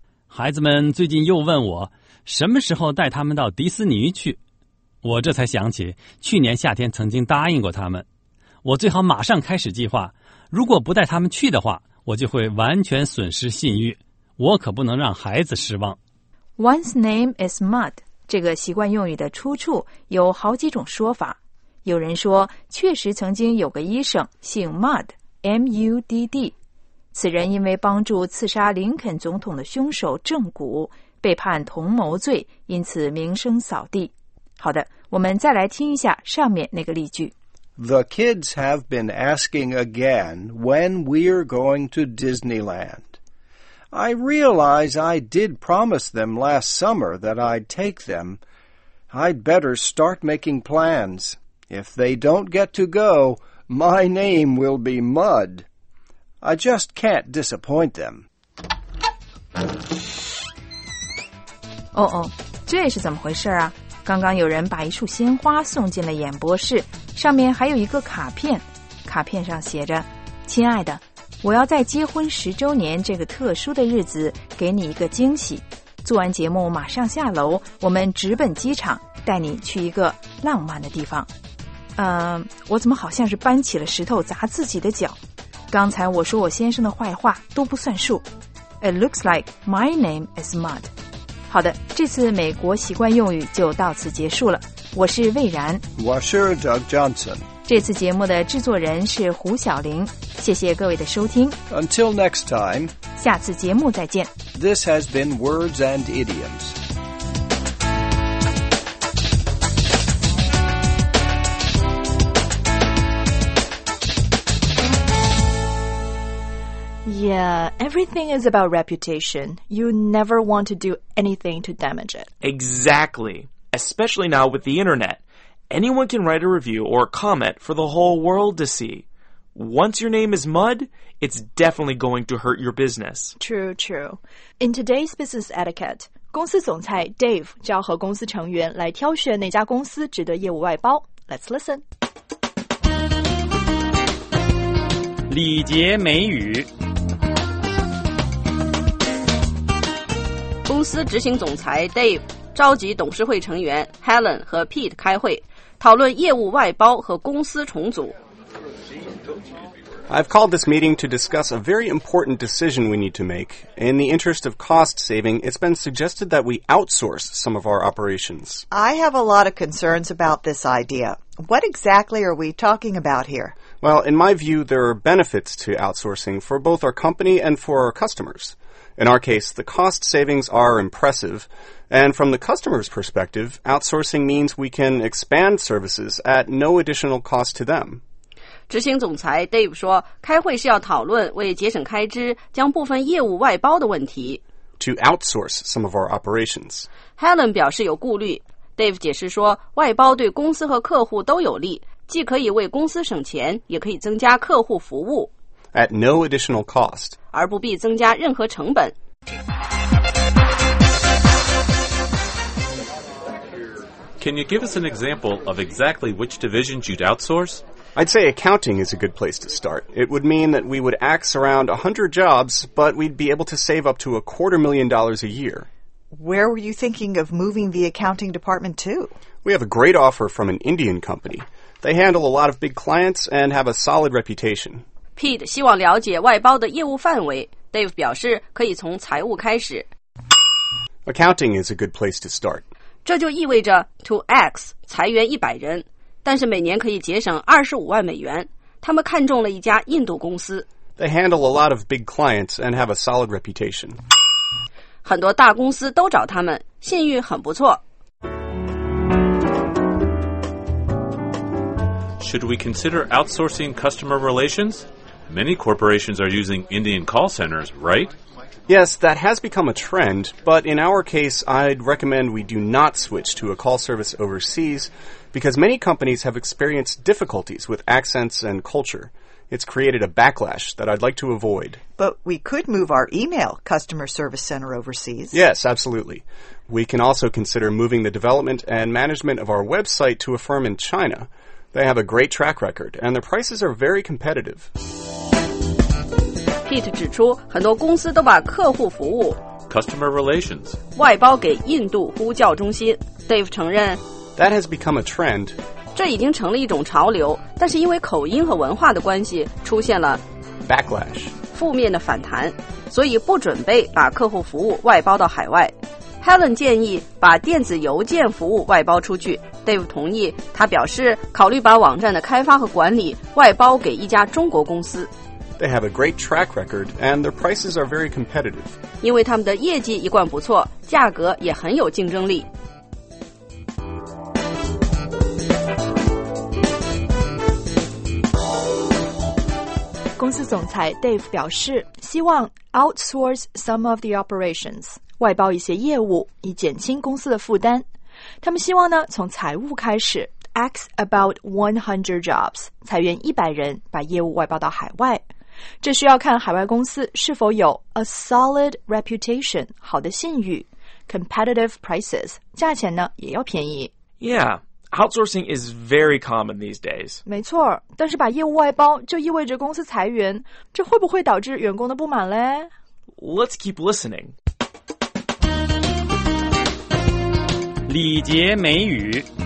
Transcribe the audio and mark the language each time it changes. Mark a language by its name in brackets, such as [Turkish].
[Chinese] 孩子们最近又问我什么时候带他们到迪士尼去。我这才想起去年夏天曾经答应过他们，我最好马上开始计划。如果不带他们去的话，我就会完全损失信誉。我可不能让孩子失望。 [English] One's name is Mud. [Chinese] 这个习惯用语的出处有好几种说法。有人说，确实曾经有个医生姓 Mud, M-U-D-D。此人因为帮助刺杀林肯总统的凶手正骨，被判同谋罪，因此名声扫地。好的，我们再来听一下上面那个例句。 [English] The kids have been asking again when we're going to Disneyland. I realize I did promise them last summer that I'd take them. I'd better start making plans. If they don't get to go, my name will be Mud. I just can't disappoint them. [Chinese] 哦哦，这是怎么回事啊？刚刚有人把一束鲜花送进了演播室，上面还有一个卡片，卡片上写着：“亲爱的，我要在结婚十周年这个特殊的日子给你一个惊喜。做完节目马上下楼，我们直奔机场，带你去一个浪漫的地方。” 我怎么好像是搬起了石头砸自己的脚？刚才我说我先生的坏话都不算数。 [English] It looks like my name is Mud. [Chinese] 好的，这次美国习惯用语就到此结束了。我是魏然。我是 Doug Johnson。这次节目的制作人是胡晓玲。谢谢各位的收听。 [English] Until next time. [Chinese] 下次节目再见。 [English] This has been Words and Idioms. Yeah, everything is about reputation. You never want to do anything to damage it. Exactly. Especially now with the internet. Anyone can write a review or a comment for the whole world to see. Once your name is Mud, it's definitely going to hurt your business. True, true. In today's business etiquette, [Chinese] 公司总裁 Dave 叫和公司成员来挑选哪家公司值得业务外包。 [English] Let's listen. [Chinese] 礼节美语公司执行总裁 Dave 召集董事会成员 Helen 和 Pete 开会，讨论业务外包和公司重组。 [English] I've called this meeting to discuss a very important decision we need to make. In the interest of cost saving, it's been suggested that we outsource some of our operations. I have a lot of concerns about this idea. What exactly are we talking about here? Well, in my view, there are benefits to outsourcing for both our company and for our customers. In our case, the cost savings are impressive, and from the customer's perspective, outsourcing means we can expand services at no additional cost to them. [Chinese] 执行总裁 Dave 说，开会是要讨论为节省开支将部分业务外包的问题。 [English] To outsource some of our operations. [Chinese] Helen 表示有顾虑。Dave 解释说，外包对公司和客户都有利，既可以为公司省钱，也可以增加客户服务。 [English] At no additional cost. [Chinese] 而不必增加任何成本。 [English] Can you give us an example of exactly which divisions you'd outsource? I'd say accounting is a good place to start. It would mean that we would axe around 100 jobs, but we'd be able to save up to $250,000 a year. Where were you thinking of moving the accounting department to? We have a great offer from an Indian company. They handle a lot of big clients and have a solid reputation. [Chinese] Pete 希望了解外包的业务范围。Dave 表示可以从财务开始。 [English] Accounting is a good place to start. [Chinese] 这就意味着 to axe 裁员100人，但是每年可以节省$250,000。他们看中了一家印度公司。 [English] They handle a lot of big clients and have a solid reputation. [Chinese] 很多大公司都找他们，信誉很不错。 [English] Should we consider outsourcing customer relations? Many corporations are using Indian call centers, right? Yes, that has become a trend, but in our case, I'd recommend we do not switch to a call service overseas because many companies have experienced difficulties with accents and culture. It's created a backlash that I'd like to avoid. But we could move our email customer service center overseas. Yes, absolutely. We can also consider moving the development and management of our website to a firm in China. They have a great track record, and their prices are very competitive. [Chinese] Pete 指出，很多公司都把客户服务 [English] customer relations [Chinese] 外包给印度呼叫中心。Dave 承认 [English] that has become a trend. [Chinese] 这已经成了一种潮流，但是因为口音和文化的关系，出现了 [English] backlash [Chinese] 负面的反弹，所以不准备把客户服务外包到海外。 Helen 建议把电子邮件服务外包出去。 Dave 同意，他表示考虑把网站的开发和管理外包给一家中国公司。 [English] They have a great track record and their prices are very competitive. [Chinese] 因为他们的业绩一贯不错，价格也很有竞争力。公司总裁 Dave 表示，希望 [English] outsource some of the operations. [Chinese] 外包一些业务以减轻公司的负担。他们希望呢从财务开始 [English] axe about 100 jobs, [Chinese] 裁员100人把业务外包到海外。这需要看海外公司是否有 [English] a solid reputation, [Chinese] 好的信誉 [English] competitive prices, [Chinese] 价钱呢也要便宜。 [English] Yeah, outsourcing is very common these days. [Chinese] 没错，但是把业务外包就意味着公司裁员，这会不会导致员工的不满嘞？ [English] Let's keep listening. [Chinese] 礼节美语。